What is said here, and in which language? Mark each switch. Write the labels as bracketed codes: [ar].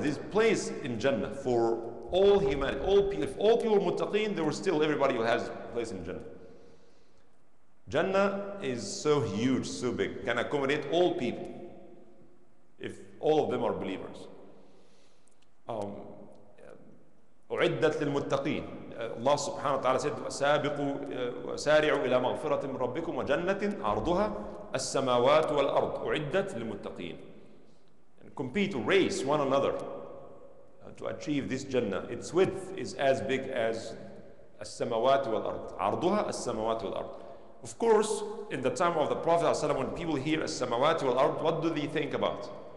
[en] There's place in Jannah for all humanity. If all people are muttaqeen, there will still everybody who has place in Jannah. Jannah is so huge, so big, can accommodate all people if all of them are believers. [ar] أُعِدَّتْ لِلْمُتَّقِينَ. [en] Allah subhanahu wa ta'ala said, [ar] وَسَارِعُوا إِلَى مَغْفِرَةٍ رَبِّكُمْ وَجَنَّةٍ عَرْضُهَا السَّمَاوَاتُ وَالْأَرْضُ أُعِدَّتْ لِلْمُتَّقِينَ. [en] And compete, race one another to achieve this Jannah. Its width is as big as [ar] السَّمَاوَاتُ وَالْأَرْضُ عَرْضُهَا السَّمَاوَاتُ وَالْأَرْضُ. [en] Of course, in the time of the Prophet ﷺ, when people hear as-samawati wal-ard, what do they think about?